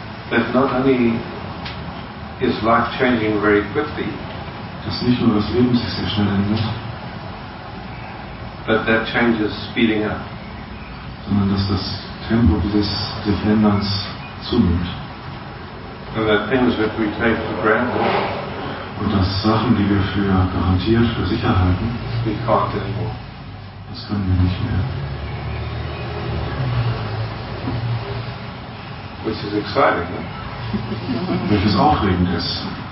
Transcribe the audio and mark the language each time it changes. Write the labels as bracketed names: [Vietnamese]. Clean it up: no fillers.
[English] that not only is life changing very quickly, [German] dass nicht nur das Leben sich sehr schnell ändert, [English] but that change is speeding up, [German] sondern dass das Tempo dieses Änderns zunimmt. [English] And that things that we take for granted, [German] und dass Sachen, die wir für garantiert, für sicher halten, [English] we can't anymore. [German] Das können wir nicht mehr. [English] Which is exciting, huh? [German] Welches aufregend ist.